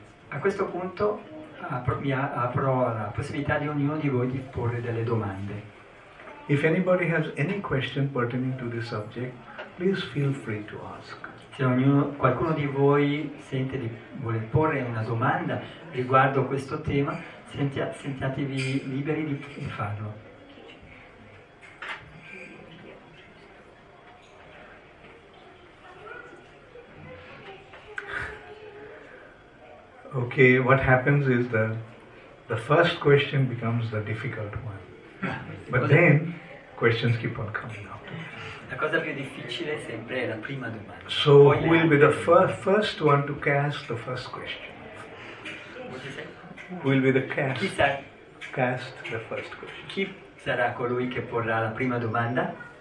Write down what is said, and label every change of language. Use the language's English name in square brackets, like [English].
[Italian] A questo punto apro la possibilità di ognuno di voi di porre delle domande. [English] If anybody has any question pertaining to this subject, please feel free to ask. [Italian] Se qualcuno di voi sente di voler porre una domanda riguardo questo tema, sentiatevi liberi di farlo. [English] Okay, what happens is the first question becomes the difficult one. But then questions keep on coming up. [Italian] La cosa più difficile sempre è la prima domanda. [English] So who will be the first one to cast the first question? Who will be the cast the first question? [Italian] Chi sarà colui che porrà la prima domanda?